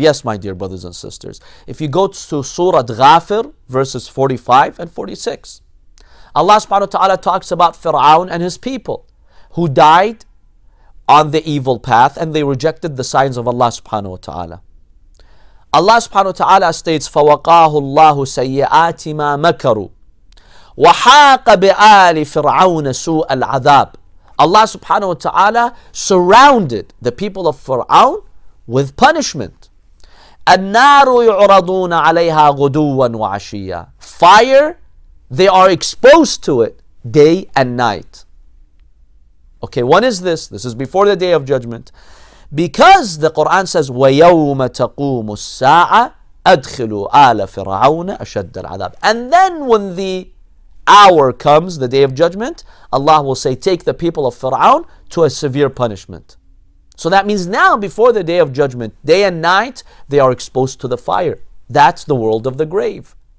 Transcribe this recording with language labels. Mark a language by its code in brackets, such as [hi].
[en] Yes, my dear brothers and sisters. If you go to Surah Ghafir, verses 45 and 46, Allah subhanahu wa ta'ala talks about Fir'aun and his people who died on the evil path and they rejected the signs of Allah subhanahu wa ta'ala. Allah subhanahu wa ta'ala states, [ar] فَوَقَاهُ اللَّهُ سَيِّئَاتِ مَا مَكَرُوا وَحَاقَ بِآلِ فِرْعَوْنَ سُوءَ الْعَذَابِ. [en] Allah subhanahu wa ta'ala surrounded the people of Fir'aun with punishment. [ar] النار يعرضون عليها غدوا وعشيا. [en] Fire, they are exposed to it day and night. Okay, what is this? This is before the day of judgment. Because the Quran says, [ar] وَيَوْمَ تَقُومُ السَّاعَةَ أَدْخِلُوا آلَ فِرْعَوْنَ أَشَدَّ الْعَذَابِ. [en] And then when the hour comes, the day of judgment, Allah will say, take the people of Fir'aun to a severe punishment. So that means now, before the day of judgment, day and night, they are exposed to the fire. That's the world of the grave.